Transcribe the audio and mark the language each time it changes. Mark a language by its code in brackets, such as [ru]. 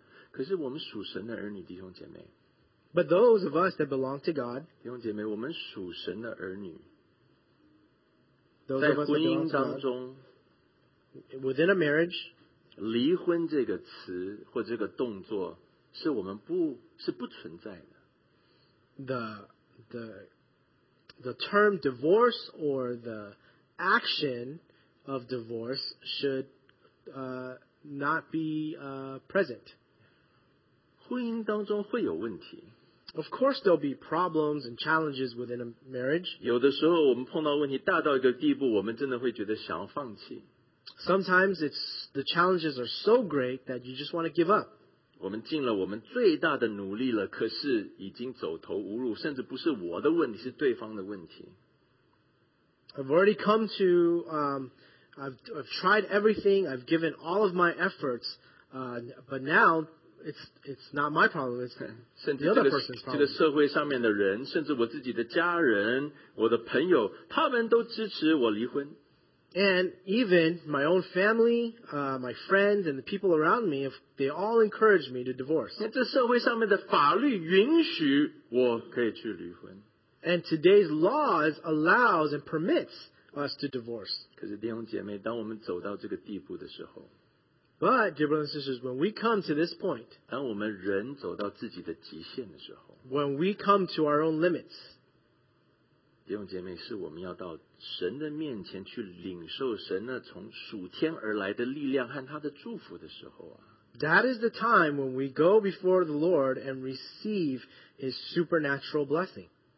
[zh] 可是我们属神的儿女，弟兄姐妹。 [en] But those of us that belong to God, [zh] 弟兄姐妹，我们属神的儿女。 [en] Those of us that belong to God, within a marriage, [zh] 离婚这个词或这个动作是我们不存在的。 [en] The term divorce or the action of divorce should not be present. [zh] 婚姻当中会有问题。 [en] Of course, there'll be problems and challenges within a marriage. [zh] 有的时候我们碰到问题大到一个地步，我们真的会觉得想要放弃。 [en] Sometimes the challenges are so great that you just want to give up. [zh] 我们尽了我们最大的努力了，可是已经走投无路，甚至不是我的问题，是对方的问题。 [en] I've already come to, I've tried everything, I've given all of my efforts, but now it's not my problem, it's the other person's problem. [zh] 这个社会上面的人, 甚至我自己的家人, 我的朋友, 他们都支持我离婚。 [en] And even my own family, my friends, and the people around me, if they all encourage me to divorce. [zh] 这社会上面的法律允许我可以去离婚。 [en] And today's laws allows and permits us to divorce. [zh] 可是弟兄姐妹, 当我们走到这个地步的时候, [en] But, dear brothers and sisters, when we come to this point, [zh] 当我们人走到自己的极限的时候, [en] when we come to our own limits, [zh] 弟兄姐妹, 是我们要到神的面前去领受神那从属天而来的力量和他的祝福的时候啊, [en] That is the time when we go before the Lord and receive His supernatural blessing.